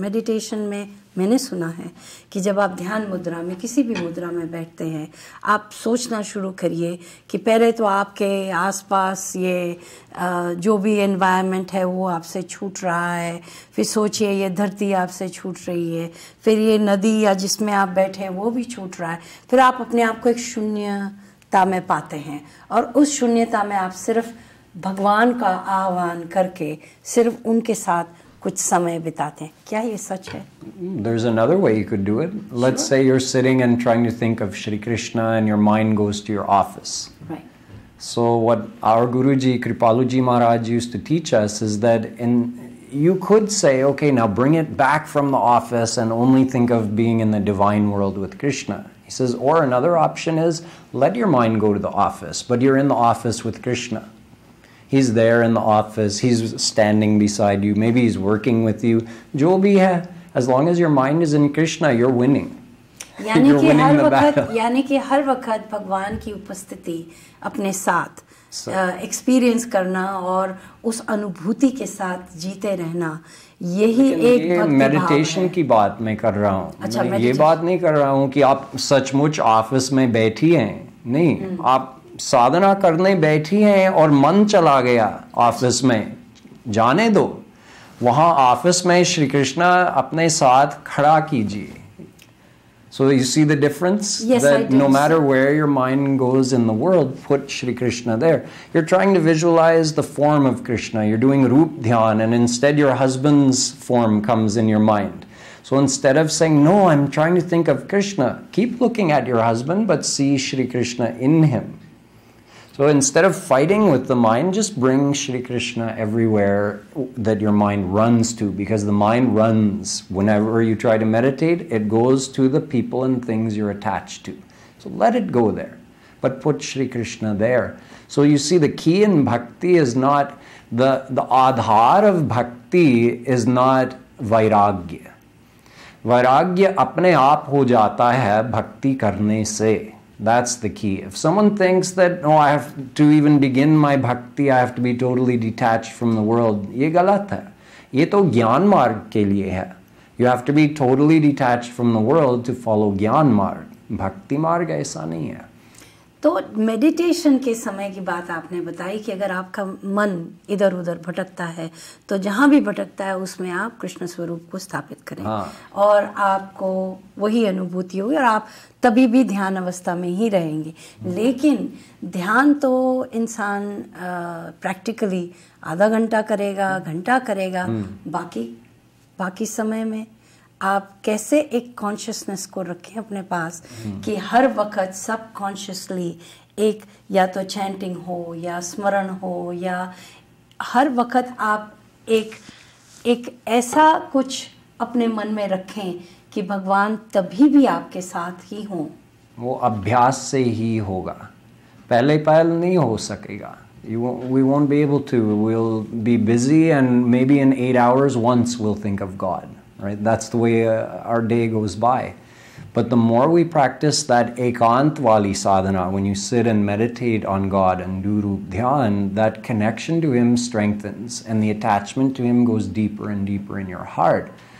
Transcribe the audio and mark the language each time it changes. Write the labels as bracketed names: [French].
[Hindi] Meditation mein maine suna hai ki jab aap dhyan mudra mein kisi bhi mudra mein baithte hain, aap sochna shuru kariye ki pehle to aapke aas paas ye jo bhi environment hai wo aapse chhoot raha hai, fir sochiye ye dharti aapse chhoot rahi hai, fir ye nadi ya jisme aap baithe hain wo bhi chhoot raha hai, fir aap apne aap ko ek shunya ta mein paate hain aur us shunyata mein aap sirf भगवान का आह्वान करके सिर्फ उनके साथ कुछ समय बिताते हैं क्या ये सच है [English] There's another way you could do it. Let's sure. say you're sitting and trying to think of Shri Krishna and your mind goes to your office. Right. So what our Guruji, Kripaluji Maharaj used to teach us is that in you could say, okay, now bring it back from the office and only think of being in the divine world with Krishna. He says, or another option is let your mind go to the office, but you're in the office with Krishna. He's there in the office. He's standing beside you. Maybe he's working with you. [Hindi] Jo bhi hai, [English] as long as your mind is in Krishna, you're winning. [Hindi] यानी कि हर वक्त भगवान की उपस्थिति अपने साथ experience करना और उस अनुभूति के साथ जीते रहना यही एक मेडिटेशन की बात मैं कर रहा हूँ ये बात नहीं कर रहा हूँ कि आप सचमुच ऑफिस में बैठी हैं नहीं आप साधना करने बैठी हैं और मन चला गया ऑफिस में जाने दो वहाँ ऑफिस में श्री कृष्णा अपने साथ खड़ा कीजिए [English] So you see the difference yes, that I do. No matter where your mind goes in the world, put Shri Krishna there. You're trying to visualize the form of Krishna. You're doing Roop Dhyan and instead your husband's form comes in your mind. So instead of saying, no, I'm trying to think of Krishna, keep looking at your husband but see Shri Krishna in him. So instead of fighting with the mind, just bring Shri Krishna everywhere that your mind runs to. Because the mind runs. Whenever you try to meditate, it goes to the people and things you're attached to. So let it go there. But put Shri Krishna there. So you see, the key in bhakti is not... The adhar of bhakti is not vairagya. [Hindi] वैराग्य अपने आप हो जाता है भक्ति करने से. [English] That's the key. If someone thinks that, oh, I have to even begin my bhakti, I have to be totally detached from the world, [Hindi] ye galat hai. ये तो ज्ञान मार्ग के लिए है. [English] You have to be totally detached from the world to follow gyan marg. [Hindi] भक्ति मार्ग ऐसा नहीं है. तो मेडिटेशन के समय की बात आपने बताई कि अगर आपका मन इधर उधर भटकता है तो जहाँ भी भटकता है उसमें आप कृष्ण स्वरूप को स्थापित करें हाँ. और आपको वही अनुभूति होगी और आप तभी भी ध्यान अवस्था में ही रहेंगे हुँ. लेकिन ध्यान तो इंसान प्रैक्टिकली आधा घंटा करेगा घंटा करेगा हुँ. बाकी समय में आप कैसे एक कॉन्शियसनेस को रखें अपने पास कि हर वक्त सब कॉन्शियसली एक या तो चैंटिंग हो या स्मरण हो या हर वक्त आप एक ऐसा कुछ अपने मन में रखें कि भगवान तभी भी आपके साथ ही हो वो अभ्यास से ही होगा पहले पहल नहीं हो सकेगा [English] we won't be able to we'll be busy and maybe in 8 hours once we'll think of God Right, that's the way our day goes by. But the more we practice that ekant wali sadhana, when you sit and meditate on God and do Roop Dhyan, that connection to Him strengthens and the attachment to Him goes deeper and deeper in your heart.